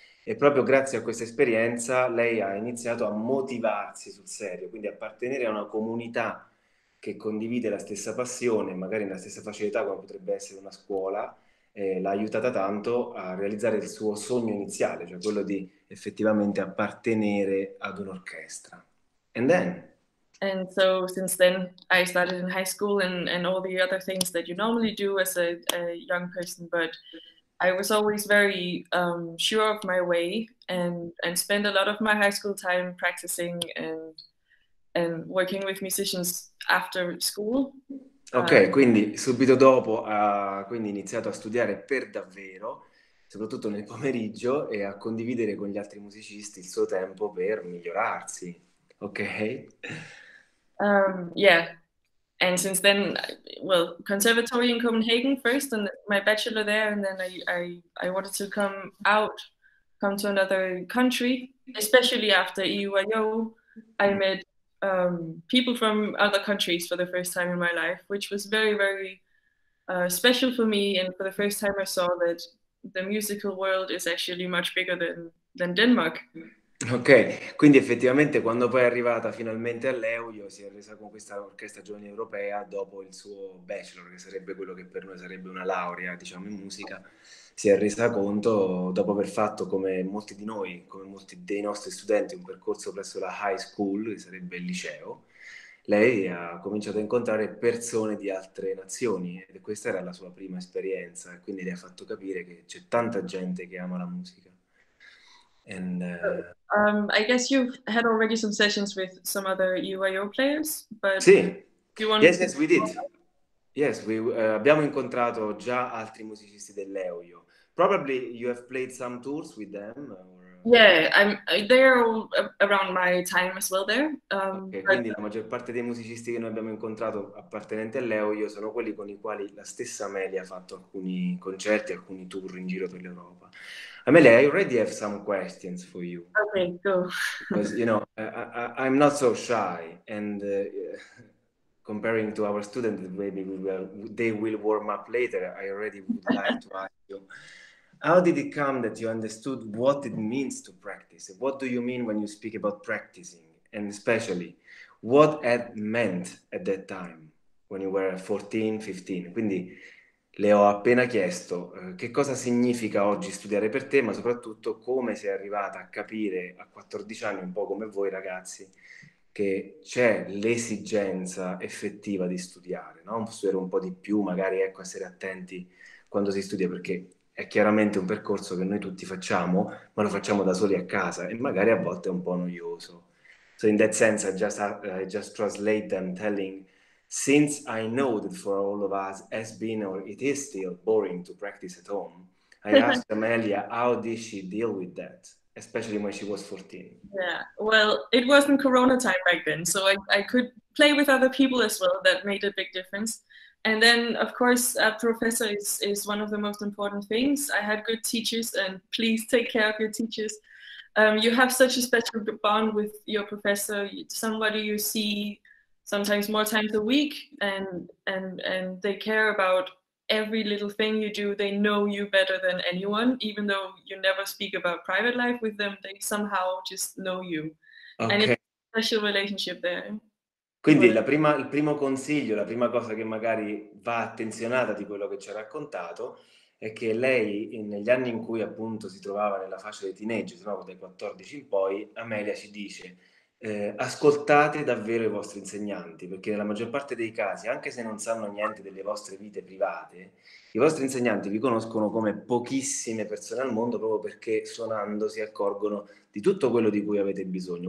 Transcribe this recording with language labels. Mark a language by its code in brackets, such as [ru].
[it] E proprio grazie a questa esperienza lei ha iniziato a motivarsi sul serio, quindi appartenere a una comunità che condivide la stessa passione, magari nella stessa facilità come potrebbe essere una scuola, l'ha aiutata tanto a realizzare il suo sogno iniziale, cioè quello di effettivamente appartenere ad un'orchestra. [en] And then? And so since then I started in high school and all the other things that you normally do as a young person, but I was always very sure of my way and spent a lot of my high school time practicing and working with musicians after school. [it] Ok, quindi subito dopo ha quindi iniziato a studiare per davvero, soprattutto nel pomeriggio, e a condividere con gli altri musicisti il suo tempo per migliorarsi. [en] Ok? Yeah. And since then, well, conservatory in Copenhagen first, and my bachelor there, and then I wanted to come to another country, especially after EUIO. I met people from other countries for the first time in my life, which was very, very special for me. And for the first time, I saw that the musical world is actually much bigger than Denmark. [it] Ok, quindi effettivamente quando poi è arrivata finalmente all'EUIO si è resa con questa orchestra giovane europea dopo il suo bachelor, che sarebbe quello che per noi sarebbe una laurea, diciamo, in musica, si è resa conto, dopo aver fatto come molti di noi, come molti dei nostri studenti, un percorso presso la high school, che sarebbe il liceo, lei ha cominciato a incontrare persone di altre nazioni e questa era la sua prima esperienza e quindi le ha fatto capire che c'è tanta gente che ama la musica. [en] And I guess you've had already some sessions with some other UIO players, but [it] sì. [en] Yes, we did. Yes, we [it] abbiamo incontrato già altri musicisti dell'EUIO. [en] Probably you have played some tours with them. Yeah, they're all around my time as well there. [it] Okay, quindi la maggior parte dei musicisti che noi abbiamo incontrato appartenenti all'EUIO sono quelli con i quali la stessa Amelia ha fatto alcuni concerti, alcuni tour in giro per l'Europa. [en] Amelia, I already have some questions for you. Okay, go. Because, you know, I'm not so shy, and comparing to our students, maybe they will warm up later, I already would like to ask you. How did it come that you understood what it means to practice? What do you mean when you speak about practicing? And especially, what it meant at that time, when you were 14, 15? [it] Quindi le ho appena chiesto che cosa significa oggi studiare per te, ma soprattutto come sei arrivata a capire a 14 anni, un po' come voi ragazzi, che c'è l'esigenza effettiva di studiare, no? Studiare un po' di più, magari, ecco, essere attenti quando si studia, perché è chiaramente un percorso che noi tutti facciamo, ma lo facciamo da soli a casa e magari a volte è un po' noioso. [en] So in that sense, I just translate them telling, since I know that for all of us has been or it is still boring to practice at home, I asked Amelia, how did she deal with that? Especially when she was 14. Yeah, well, it wasn't Corona time back then, so I could play with other people as well. That made a big difference. And then, of course, a professor is one of the most important things. I had good teachers, and please take care of your teachers. You have such a special bond with your professor, somebody you see sometimes more times a week, and they care about every little thing you do. They know you better than anyone, even though you never speak about private life with them. They somehow just know you. Okay. And it's a special relationship there. [it] Quindi il primo consiglio, la prima cosa che magari va attenzionata di quello che ci ha raccontato è che lei, negli anni in cui appunto si trovava nella fascia dei teenager, se no dai 14 in poi, Amelia ci dice ascoltate davvero i vostri insegnanti, perché nella maggior parte dei casi, anche se non sanno niente delle vostre vite private, i vostri insegnanti vi conoscono come pochissime persone al mondo, proprio perché suonando si accorgono di tutto quello di cui avete bisogno.